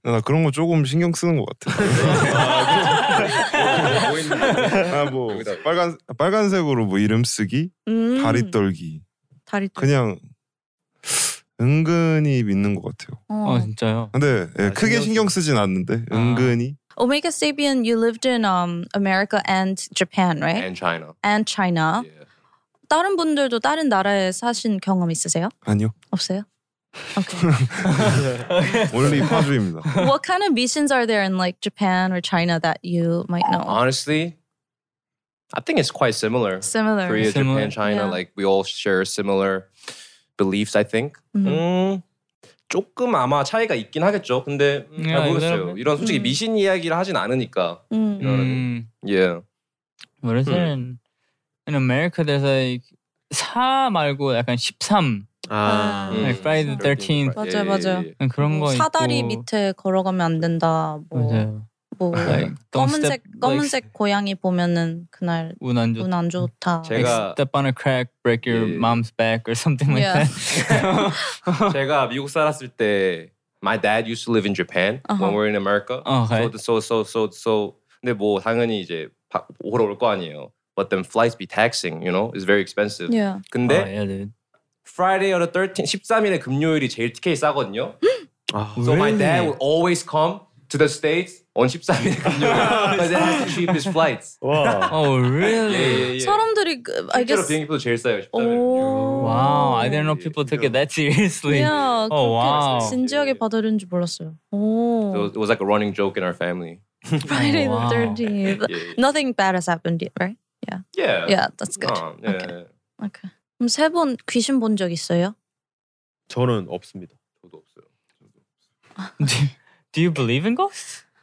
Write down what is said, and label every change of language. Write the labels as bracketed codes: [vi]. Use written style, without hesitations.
[ko] 나 그런 거 조금 신경 쓰는 것 같아. 아, 뭐 빨간색으로 뭐 이름 쓰기, 다리 떨기. 다리 떨. 그냥 은근히 믿는 것 같아요. 아 진짜요? 근데 예, 아, 크게 신경 쓰진 않는데 아. 은근히. [en] Omega Sabian, you lived in America and Japan, right? And China. And China. Yeah. [ko] 다른 분들도 다른 나라에 사신 경험 있으세요? 아니요. 없어요? [en] Only [ko] 파주입니다. [en] What kind of missions are there in like Japan or China that you might know? Honestly, I think it's quite similar. Similar. Korea, similar. Japan, China. Yeah. Like we all share similar beliefs, I think. Mm-hmm. [ko] 조금 아마 차이가 있긴 하겠죠. 근데 잘 모르겠어요. 이런 솔직히 미신 이야기를 하진 않으니까. [en] Yeah. What is it? In America, there's like 4 [ko] 말고 약간 [en] 13. [ko] 아, [en] like Friday the 13th. [ko] 맞아, 맞아. 그런 거 있고. 사다리 밑에 걸어가면 안 된다. 뭐, 맞아요. 뭐 like, 검은색 step, 검은색 like, 고양이 보면은 그날 운 안 좋다. 운 안 좋다. 제가 [en] like step on a crack, break your mom's back or something like that. [ko] 제가 미국 살았을 때, [en] my dad used to live in Japan when we were in America. Okay. So. [ko] 근데 뭐 당연히 이제 오러 올 거 아니에요. [en] But then flights be taxing, you know, it's very expensive. Yeah. [ko] 근데 [en] oh, yeah, dude. [ko] Friday or the 13th, 13일의 금요일이 제일 티켓이 싸거든요. 아, [en] so really? My dad would always come to the States on [ko] 13일의 금요일. [en] But then has the cheapest flights. Wow. Oh, really? Yeah, yeah, yeah. [ko] 사람들이, [en] I guess. [ko] 비행기표도 제일 싸요, 13일. [en] Oh. Wow, I didn't know people took it that seriously. Yeah, oh, wow. [ko] 진지하게 받아들인 줄 몰랐어요. [en] Oh. It was like a running joke in our family. Friday the 13th. Yeah, yeah. Nothing bad has happened yet, right? Yeah. Yeah. Yeah, that's good. Okay. Okay. [ko] 그럼 세 번 귀신 본 적 있어요? 저는 없습니다. 저도 없어요. [en] Do you believe in ghosts?